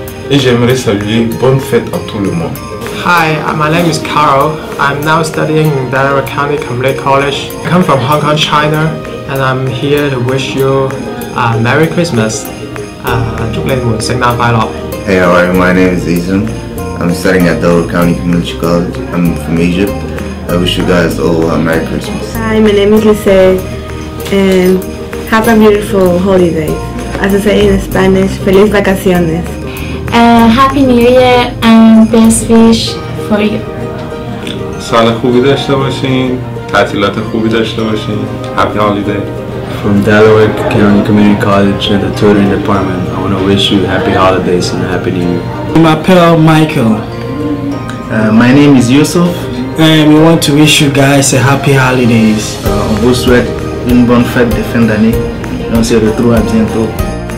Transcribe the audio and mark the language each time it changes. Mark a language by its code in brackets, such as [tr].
[fr] Et j'aimerais saluer bonne fête à tout le monde. [en] Hi, my name is Carol. I'm now studying in Delaware County Community College. I come from Hong Kong, China. And I'm here to wish you a Merry Christmas. Hey, how are you? My name is Azim. I'm studying at Delaware County Community College. I'm from Egypt. I wish you guys all a Merry Christmas. Hi, my name is Lise. Have a beautiful holiday. As I say in Spanish, [es] Feliz Vacaciones. [en] Happy New Year and best wish for you. [fa] سال خوبی داشته باشین. تعطیلات خوبی داشته باشین. [en] Happy holiday. From Delaware County Community College in the Tutoring Department, I want to wish you happy holidays and happy new year. My pal Michael. My name is Yusuf. And we want to wish you guys a happy holidays. [fr] On vous souhaite une bonne fête de fin d'année. On se retrouve à bientôt.